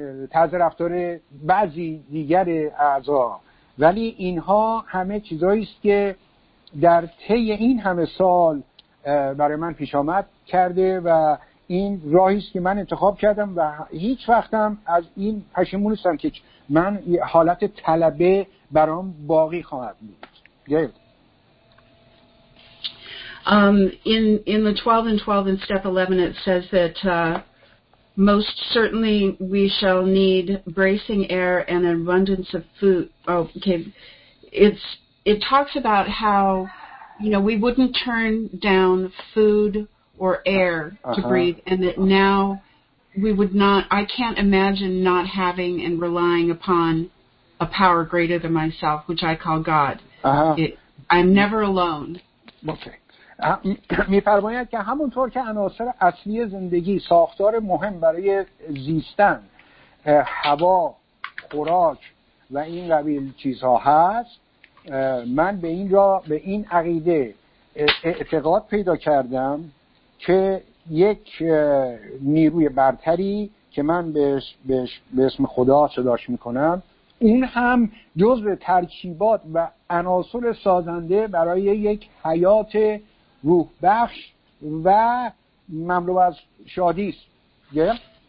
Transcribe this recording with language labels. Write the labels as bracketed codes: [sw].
[fa] طرز رفتار بعضی دیگر اعضا، ولی اینها همه چیزایی است که در طی این همه سال برای من پیش آمد کرده و این راهی است که من انتخاب کردم و هیچ وقتم از این پشیمون نیستم که من حالت طلبه برام باقی خواهد بود. [en] In the 12 and 12 and step 11, it says that most certainly we shall need bracing air and an abundance of food. Oh, okay. It talks about how, you know, we wouldn't turn down food or air to breathe, and that now we would not, I can't imagine not having and relying upon a power greater than myself, which I call God. I'm never alone. Okay. [fa] می‌فرماید که همونطور که عناصر اصلی زندگی، ساختار مهم برای زیستن، هوا، خوراک و این قبیل چیزها هست، من به این را به این عقیده اعتقاد پیدا کردم که یک نیروی برتری که من بهش به اسم خدا صداش می‌کنم، اون هم جزء ترکیبات و عناصر سازنده برای یک حیات روح بخش و مملو از شادی است.